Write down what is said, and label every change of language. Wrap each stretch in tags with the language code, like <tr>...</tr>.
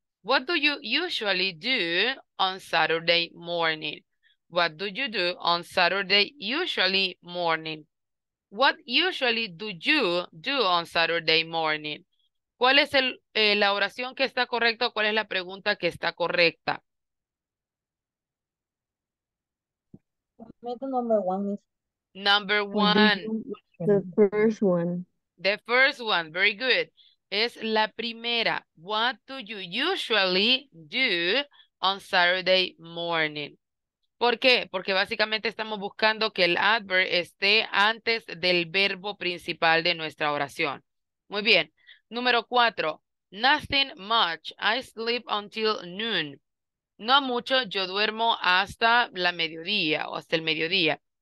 <en>What do you usually do on Saturday morning? What do you do on Saturday, usually morning? What usually do you do on Saturday morning?</en> <es>¿Cuál es la oración que está correcta o cuál es la pregunta que está correcta?</es> <en>Number one is Number what do one. you the first one? The first one. Very good.</en> <es>Es la primera.</es> <en>What do you usually do on Saturday morning?</en> <es>¿Por qué? Porque básicamente estamos buscando que el adverb esté antes del verbo principal de nuestra oración. Muy bien. Número 4.</es> <en>Nothing much. I sleep until noon.</en> <es>No mucho. Yo duermo hasta la mediodía o hasta el mediodía.</es>